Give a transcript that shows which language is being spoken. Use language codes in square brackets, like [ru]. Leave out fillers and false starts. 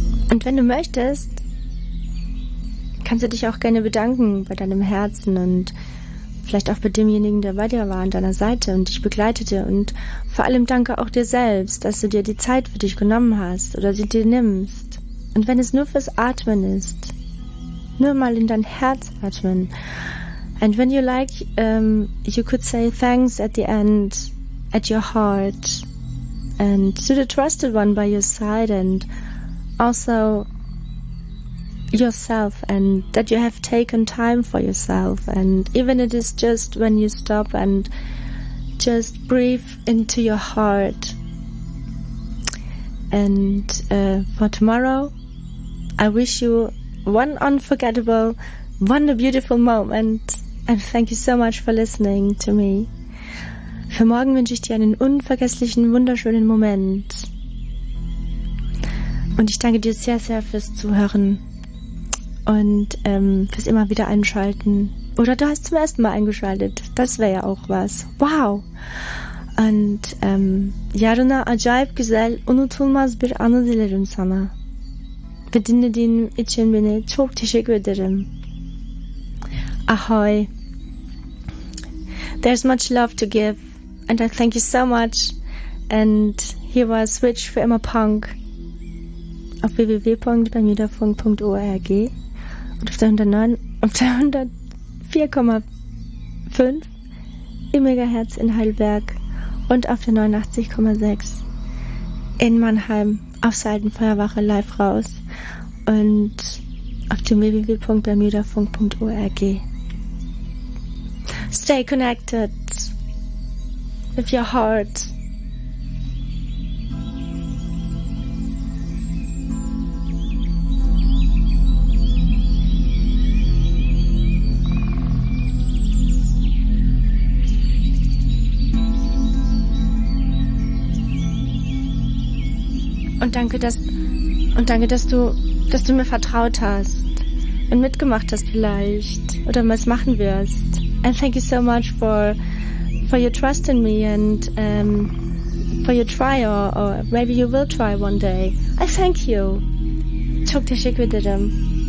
[de] Und wenn du möchtest, kannst du dich auch gerne bedanken bei deinem Herzen und vielleicht auch bei demjenigen, der bei dir war, an deiner Seite und dich begleitete. Und vor allem danke auch dir selbst, dass du dir die Zeit für dich genommen hast oder sie dir nimmst. Und wenn es nur fürs Atmen ist, nur mal in dein Herz atmen. [en] And when you like, you could say thanks at the end, at your heart, and to the trusted one by your side, and also yourself, and that you have taken time for yourself, and even it is just when you stop and just breathe into your heart. And for tomorrow, I wish you one unforgettable, one beautiful moment, and thank you so much for listening to me. [de] Für morgen wünsche ich dir einen unvergesslichen, wunderschönen Moment. Und ich danke dir sehr, sehr fürs Zuhören und fürs immer wieder einschalten. Oder du hast zum ersten Mal eingeschaltet. Das wäre ja auch was. Wow! [tr] Und yarına acayip güzel, unutulmaz bir anı dilerim sana. Ve dinlediğin için beni çok teşekkür ederim. Ahoy! [en] There's much love to give. And I thank you so much. And here was [de] Switch for Emma Punk auf www.bermudafunk.org und auf der 104,5 im Megahertz in Heidelberg und auf der 89,6 in Mannheim auf Seidenfeuerwache live raus und auf dem www.bermudafunk.org. [en] Stay connected with your heart. [de] Und danke, dass du mir vertraut hast und mitgemacht hast vielleicht oder was machen wirst. [en] And thank you so much for your trust in me and for your try or maybe you will try one day. I thank you. [tr] Çok teşekkür ederim.